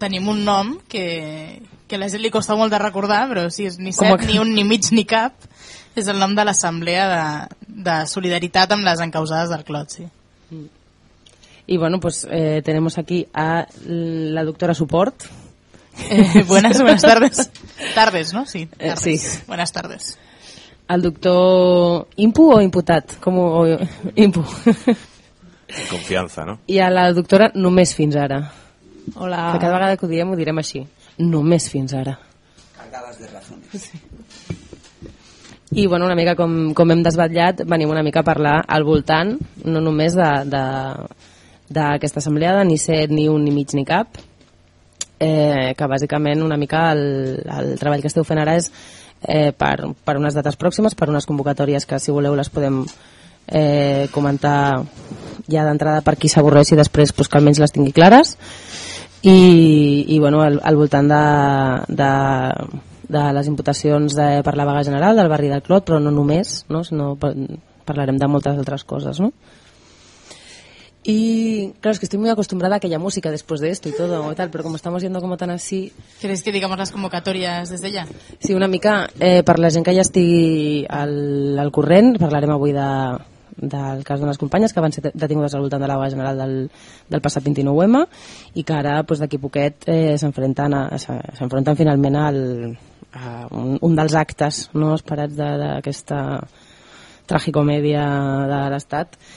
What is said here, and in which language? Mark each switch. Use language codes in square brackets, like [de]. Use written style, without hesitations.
[ca] Tenim un nom que a la gent li costa molt de recordar, però sí, és ni set, ni un, ni mig, ni cap. És el nom de l'Assemblea de Solidaritat amb les encausades del Clot, sí. [es] Y bueno, pues tenemos aquí a la doctora Suport. Buenas tardes. Tardes, ¿no? Sí, tardes. Sí. Buenas tardes. ¿Al doctor Impu o Imputat? ¿Cómo? Impu. Confianza, ¿no? Y a la doctora Només Fins Ara. Hola. [ca] Que cada vegada que ho diem ho direm així. Només Fins Ara. [es] Cargadas de razones. Sí. [ca] I bueno, una mica com hem desvetllat, venim una mica a parlar al voltant, no només d'aquesta assemblea de ni set, ni un, ni mig, ni cap, que bàsicament una mica el treball que esteu fent ara és per unes dates pròximes, per unes convocatòries que si voleu les podem comentar ja d'entrada per qui s'avorreix i després pues, que almenys les tingui clares. I bueno, al voltant de les imputacions de per la vaga general del barri del Clot, però no només, no, sinó parlarem de moltes altres coses, no? [es] Y claro, es que estoy muy acostumbrada a aquella música después de esto y todo y tal, pero como estamos yendo como tan así... ¿Quieres que digamos las convocatorias desde ya? [ca] Sí, una mica, per la gent que ja estigui al corrent, parlarem avui del cas d'unes companyes que van ser detingudes al voltant de la vaga general del passat 29M i que ara, pues, d'aquí poquet, s'enfronten finalment a un dels actes, no, esperats d'aquesta tragicomèdia de l'Estat.